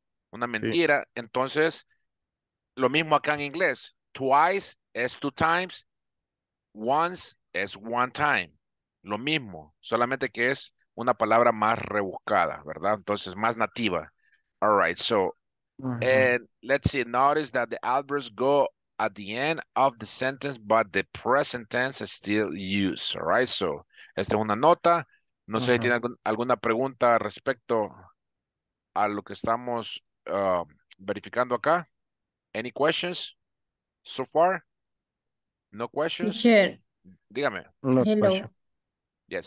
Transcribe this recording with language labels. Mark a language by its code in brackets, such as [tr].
[es] Una mentira. Sí. Entonces, lo mismo acá en inglés. [en] Twice es two times. Once es one time. [es] Lo mismo, solamente que es una palabra más rebuscada, ¿verdad? Entonces, más nativa. [en] All right, so, and let's see. Notice that the adverbs go at the end of the sentence, but the present tense is still used. All right, so, [es] esta es una nota. No sé si tiene alguna pregunta respecto a lo que estamos verificando acá. [en] Any questions so far? No questions? Teacher. [es] Dígame. [en] No. Hello. Yes.